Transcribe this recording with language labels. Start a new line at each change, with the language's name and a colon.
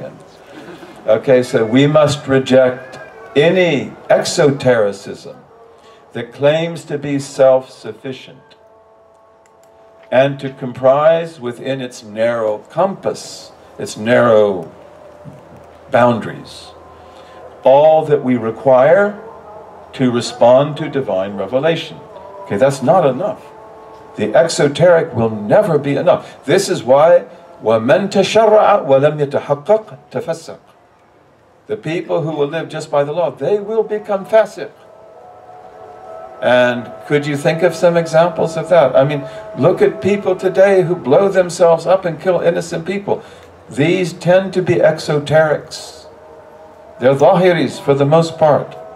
English: And okay, so we must reject any exotericism that claims to be self-sufficient and to comprise within its narrow compass, its narrow boundaries, all that we require to respond to divine revelation. Okay, that's not enough. The exoteric will never be enough. This is why
Arabic: وَمَنْ تَشَرَّعَ وَلَمْ يَتَحَقَّقْ تَفَسَّقْ.
English: The people who will live just by the law, they will become fasiq. And could you think of some examples of that? I mean, look at people today who blow themselves up and kill innocent people. These tend to be exoterics. They're zahiris for the most part.